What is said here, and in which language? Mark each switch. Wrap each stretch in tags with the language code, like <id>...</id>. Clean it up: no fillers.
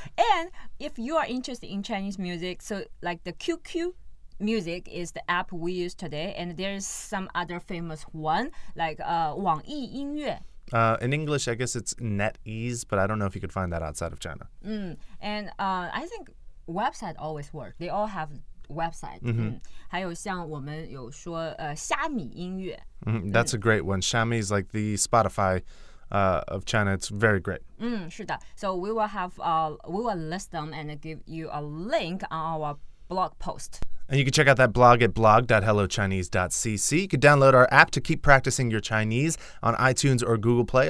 <en>And if you are interested in Chinese music, so like the QQ Music is the app we use today, and there's some other famous one, like 网易音乐. In English, I guess it's NetEase, but I don't know if you could find that outside of China. And I think website always work. They all have... website、 mm-hmm.</en> <zh>还有像我们有说虾米音乐、</zh> <en>That's a great one. Xiaomi is like the Spotify of China. It's very great.</en> <zh>是的</zh> <en>So we will list them and give you a link on our blog post. And you can check out that blog at blog.hellochinese.cc. You can download our app to keep practicing your Chinese on iTunes or Google Play.</en>